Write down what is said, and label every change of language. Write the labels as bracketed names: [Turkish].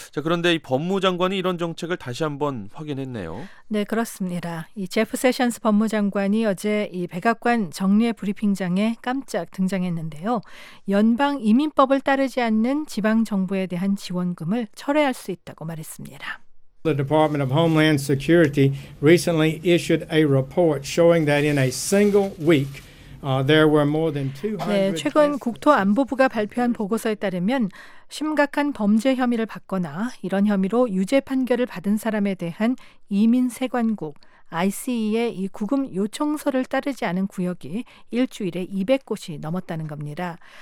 [Korean] 자, 그런데 이 법무장관이 이런 정책을 다시 한번 확인했네요. 네, 그렇습니다. 이 제프 세션스 법무장관이 어제 이 백악관 정례 브리핑장에 깜짝 등장했는데요. 연방이민법을 따르지 않는 지방정부에 대한 지원금을 철회할 수 있다고 말했습니다. [English] The Department of Homeland Security recently issued a report showing that in a single week there were more than 200 [Korean] 네, 최근 국토안보부가 발표한 보고서에 따르면 심각한 범죄 혐의를 받거나 이런 혐의로 유죄 판결을 받은 사람에 대한 이민 세관국 ICE의 이 구금 요청서를 따르지 않은 구역이 일주일에 200곳이 넘었다는 겁니다.